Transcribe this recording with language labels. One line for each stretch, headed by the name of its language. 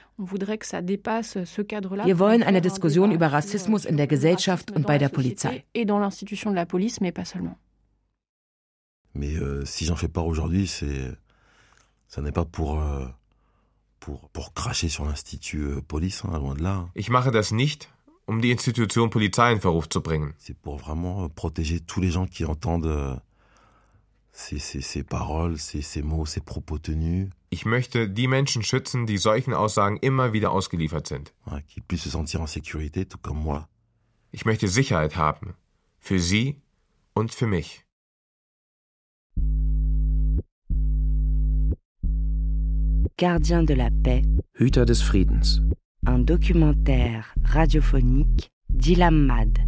German: Wir wollen eine Diskussion über Rassismus in der Gesellschaft und bei der Polizei. Ich mache das nicht, um die Institution Polizei in Verruf zu bringen.
French: C'est pour vraiment protéger tous les gens qui entendent ces paroles, ces mots, ces propos tenus.
German: Ich möchte die Menschen schützen, die solchen Aussagen immer wieder ausgeliefert sind.
French: Qui puissent se sentir en sécurité, tout comme moi.
German: Ich möchte Sicherheit haben, für sie und für mich.
French: Gardien de la paix.
German: Hüter des Friedens.
French: Un documentaire radiophonique d'Ilham Mad.